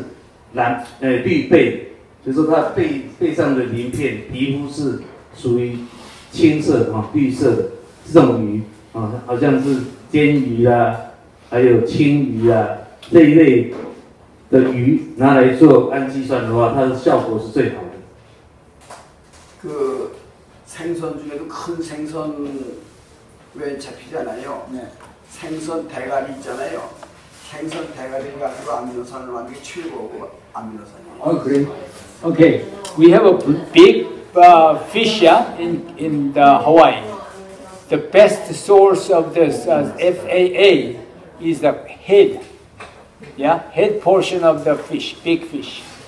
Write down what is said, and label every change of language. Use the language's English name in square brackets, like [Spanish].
[Chinese] 现在图片上看到的是那个叫做沙丁鱼哈，那个小鱼做的氨基酸的。那他有补充说明，就是说这个并不是最好的嘛，就是说你要做氨基酸的话，最好选择它是蓝，绿背。就是它背上的鳞片，皮肤是属于青色啊、绿色的这种鱼啊，好像是煎鱼啊，还有青鱼啊这一类的鱼拿来做氨基酸的话，它的效果是最好的。 [Korean] 그 생선 중에도 큰 생선 왜 잡히잖아요. 네. 생선 대가리 있잖아요. 생선 대가리 가지고 아미노산을 만든 게 최고고 아미노산. 아 그래. [English] Okay, we have a big fish in the Hawaii. The best source of this FAA is the head. Yeah, head portion of the fish, big fish.